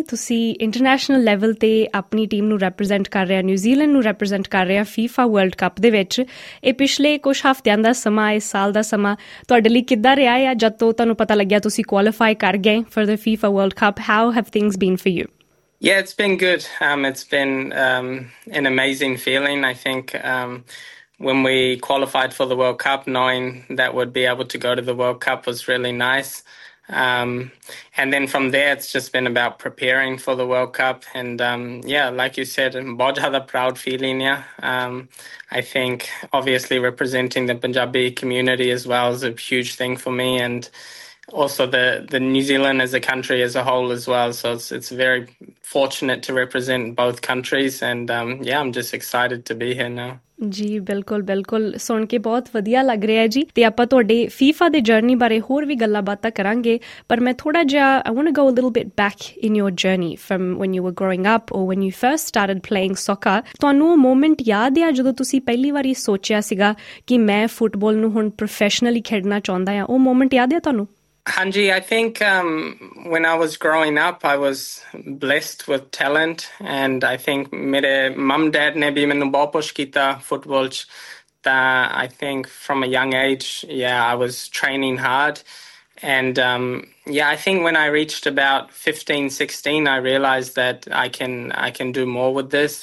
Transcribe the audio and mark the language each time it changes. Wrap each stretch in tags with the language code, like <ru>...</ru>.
<pa>ਤੁਸੀਂ international level ਤੇ ਆਪਣੀ ਟੀਮ ਨੂੰ ਰੈਪ੍ਰੈਜ਼ੈਂਟ ਕਰ ਰਿਹਾ, ਨਿਊਜ਼ੀਲੈਂਡ ਨੂੰ ਰੈਪ੍ਰੈਜ਼ੈਂਟ ਕਰ ਰਿਹਾ ਫੀਫਾ ਵਰਲਡ ਕੱਪ ਦੇ ਵਿੱਚ। ਇਹ ਪਿਛਲੇ ਕੁਝ ਹਫ਼ਤਿਆਂ ਦਾ ਸਮਾਂ, ਇਸ ਸਾਲ ਦਾ ਸਮਾਂ ਤੁਹਾਡੇ ਲਈ ਕਿੱਦਾਂ ਰਿਹਾ ਆ, ਜਦ ਤੋਂ ਤੁਹਾਨੂੰ ਪਤਾ ਲੱਗਿਆ ਤੁਸੀਂ ਕੁਆਲੀਫਾਈ ਕਰ ਗਏ</pa> <en>For the FIFA world cup? How have things been for you? Yeah, it's been good. It's been an amazing feeling, I think when we qualified for the World Cup, knowing that we'd be able to go to the World Cup was really nice. And then from there, it's just been about preparing for the World Cup. And yeah, like you said,</en> <pa>bahut zyada</pa> <en>proud feeling. Yeah, I think obviously representing the Punjabi community as well is a huge thing for me. And also the New Zealand as a country as a whole as well. So it's very fortunate to represent both countries. And yeah, I'm just excited to be here now.</en> <pa>ਜੀ ਬਿਲਕੁਲ ਬਿਲਕੁਲ, ਸੁਣ ਕੇ ਬਹੁਤ ਵਧੀਆ ਲੱਗ ਰਿਹਾ ਜੀ। ਤੇ ਆਪਾਂ ਤੁਹਾਡੇ ਫੀਫਾ ਦੇ ਜਰਨੀ ਬਾਰੇ ਹੋਰ ਵੀ ਗੱਲਾਂ ਬਾਤਾਂ ਕਰਾਂਗੇ, ਪਰ ਮੈਂ ਥੋੜਾ ਜਿਹਾ</pa> <en>I want to go a little bit back in your journey from when you were growing up or when you first started playing soccer.</en> <pa>ਤੁਹਾਨੂੰ ਉਹ ਮੂਮੈਂਟ ਯਾਦ ਆ ਜਦੋਂ ਤੁਸੀਂ ਪਹਿਲੀ ਵਾਰੀ ਸੋਚਿਆ ਸੀਗਾ ਕਿ ਮੈਂ ਫੁੱਟਬਾਲ ਨੂੰ ਹੁਣ ਪ੍ਰੋਫੈਸ਼ਨਲੀ ਖੇਡਣਾ ਚਾਹੁੰਦਾ ਆ, ਉਹ ਮੂਮੈਂਟ ਯਾਦ ਆ ਤੁਹਾਨੂੰ?</pa> <en>Hanji, I think when I was growing up, I was blessed with talent, and I think</en> <pa>mere mum dad ne bhi mainu bahut push kita football ch, ta</pa> <en>I think from a young age, yeah, I was training hard. And yeah, I think when I reached about 15-16, I realized that I can do more with this.</en>